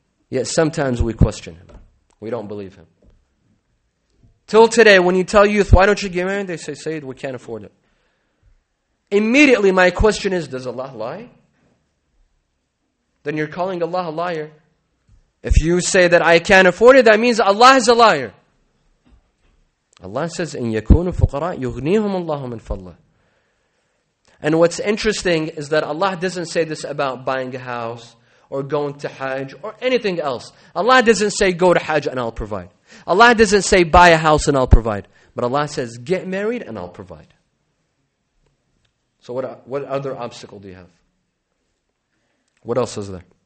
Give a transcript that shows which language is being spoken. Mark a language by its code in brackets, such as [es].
[en] Yet sometimes we question him. We don't believe him. Till today, when you tell youth, why don't you get married? They say, Sayyid, we can't afford it. Immediately, my question is, does Allah lie? Then you're calling Allah a liar. If you say that I can't afford it, that means Allah is a liar. Allah says, [ar] إِن يَكُونُ فُقَرَاءَ يُغْنِيهُمُ اللَّهُ مِنْ فَضْلِهِ. [en] And what's interesting is that Allah doesn't say this about buying a house or going to Hajj or anything else. Allah doesn't say, go to Hajj and I'll provide. Allah doesn't say, buy a house and I'll provide. But Allah says, get married and I'll provide. So what other obstacle do you have? What else is there?